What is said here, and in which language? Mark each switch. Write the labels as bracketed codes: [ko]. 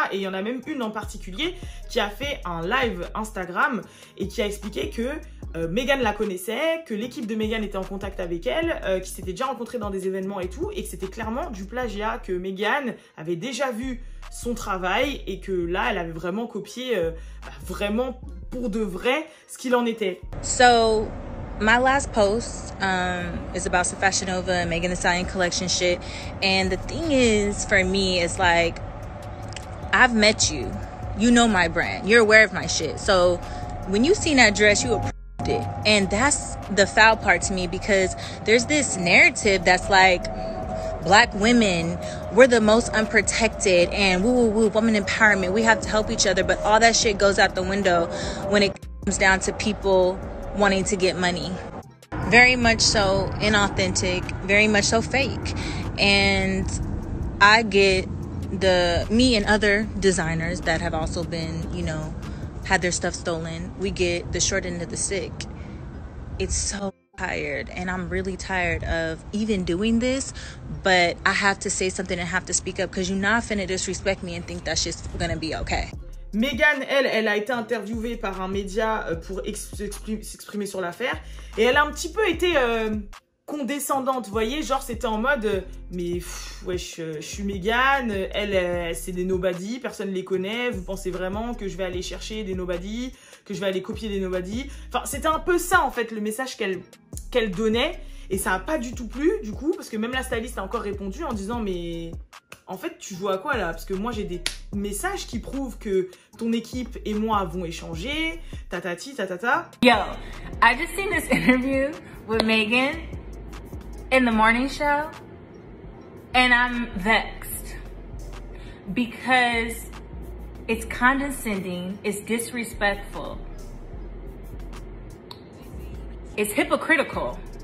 [fr] Et il y en a même une en particulier qui a fait un live Instagram et qui a expliqué que Megan la connaissait, que l'équipe de Megan était en contact avec elle, qui s'était déjà rencontrée dans des événements et tout, et que c'était clairement du plagiat, que Megan avait déjà vu son travail et que là, elle avait vraiment copié, bah, vraiment pour de vrai, ce qu'il en était. [en] So, my last post is about the Fashion Nova and Megan Thee Stallion collection shit. And the thing is, for me, it's like, I've met you. You know my brand. You're aware of my shit. So, when you seen that dress, you were... And that's the foul part to me, because there's this narrative that's like, black women, we're the most unprotected, and woo woo woo, woman empowerment, we have to help each other. But all that shit goes out the window when it comes down to people wanting to get money. Very much so inauthentic, very much so fake. And I get the, me and other designers that have also been, you know, had their stuff stolen, we get the short end of the stick. It's so tired, and I'm really tired of even doing this, but I have to say something and have to speak up, because you're not finna disrespect me and think that shit's gonna be okay. [fr] Megan, elle a été interviewée par un média pour s'exprimer sur l'affaire, et elle a un petit peu été condescendante, vous voyez, genre c'était en mode mais pff, ouais, je suis Megan, elle c'est des nobody, personne les connaît, vous pensez vraiment que je vais aller chercher des nobody, que je vais aller copier des nobody, enfin c'était un peu ça en fait le message qu'elle donnait, et ça a pas du tout plu du coup, parce que même la styliste a encore répondu en disant mais en fait tu joues à quoi là, parce que moi j'ai des messages qui prouvent que ton équipe et moi avons échangé, tatati tatata. [en] Yo, I just seen this interview with Megan in the morning show, and I'm vexed because it's condescending, it's disrespectful, it's hypocritical.